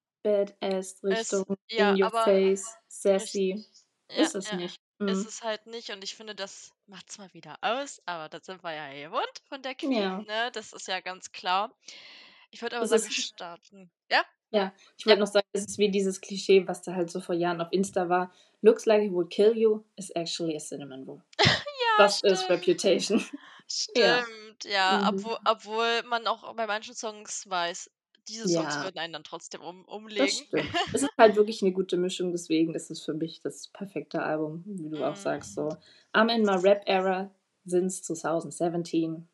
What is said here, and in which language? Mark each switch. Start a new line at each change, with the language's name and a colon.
German: Badass-Richtung,
English: in your face, sassy.
German: Ist es nicht. Mhm. Ist es halt nicht und ich finde, das macht es mal wieder aus, aber das sind wir ja gewohnt von der Queen, ne? Das ist ja ganz klar. Ich würde aber sagen, starten. Ja? Ja, ich würde noch sagen, es ist wie dieses Klischee, was da halt so vor Jahren auf Insta war.
English: Looks like it would kill you is actually a cinnamon roll.
German: Das ist Reputation. Stimmt, ja. Obwohl man auch bei manchen Songs weiß, diese Songs würden einen dann trotzdem umlegen. Es ist halt wirklich eine gute Mischung, deswegen ist es für mich das perfekte Album, wie du auch sagst. So.
English: I'm in my rap era since 2017.